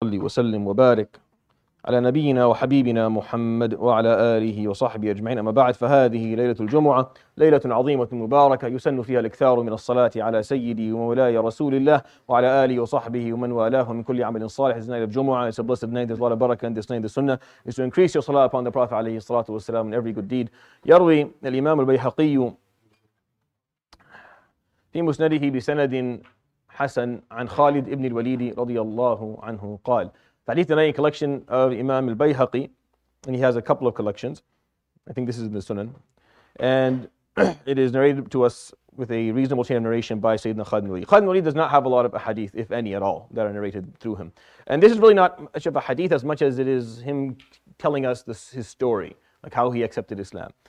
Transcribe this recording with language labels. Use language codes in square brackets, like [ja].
[ar] وصلي وسلم وبارك على نبينا وحبيبنا محمد وعلى آله وصحبه أجمعين. أما بعد، فهذه ليلة الجمعة ليلة عظيمة مباركة يسن فيها الإكثار من الصلاة على سيدي ومولاي رسول الله وعلى آله وصحبه ومن والاه من كل عمل صالح. [en] This night of Jumu'ah is a blessed night. There's a lot of barakah in this night. The sunnah is to increase your salah upon the Prophet [ar] عليه الصلاة والسلام [en] and every good deed. [ar] يروي الإمام البيهقي في مسنده بسند حسن عن خالد بن الوليد رضي الله عنه قال. [en] Hadith denying collection of Imam al-Bayhaqi, and he has a couple of collections. I think this is in the Sunan. And it is narrated to us with a reasonable chain of narration by Sayyidina Khalid ibn Walid. Khalid ibn Walid does not have a lot of hadith, if any at all, that are narrated through him. And this is really not much of a hadith as much as it is him telling us his story, like how he accepted Islam.